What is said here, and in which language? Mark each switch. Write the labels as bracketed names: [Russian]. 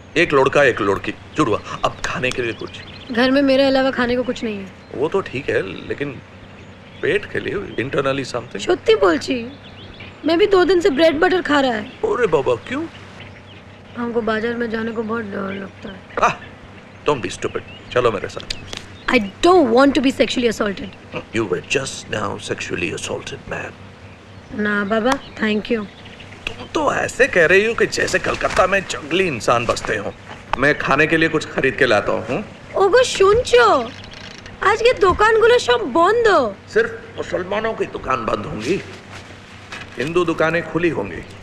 [Hindi] एक लड़का एक लड़की. जुड़वा. अब खाने के लिए कुछ? घर में मेरे अलावा खाने को कुछ नहीं है. वो तो ठीक है, लेकिन पेट के लिए [English] Internally something. [Hindi] छुट्टी बोल छी. मैं भी दो दिन से ब्रेड बटर खा रहा है. अरे बाबा क्यों? हमको बाजार में जाने को बहुत डर लगता है. [English] Don't be stupid. [Hindi] चलो मेरे साथ. [English] I don't want to be sexually assaulted. You were just now sexually assaulted, man. [Hindi] ना बाबा, थैंक यू. तुम तो ऐसे कह रही हो कि जैसे कलकत्ता में जंगली इंसान बसते हो. मैं खाने के लिए कुछ खरीद के लाता हूँ. [Bangla] ओगो सुनचो, आज के दुकान गुलो सब बंद हो. [Hindi] सिर्फ मुसलमानों की दुकान बंद होंगी, हिंदू दुकानें खुली होंगी.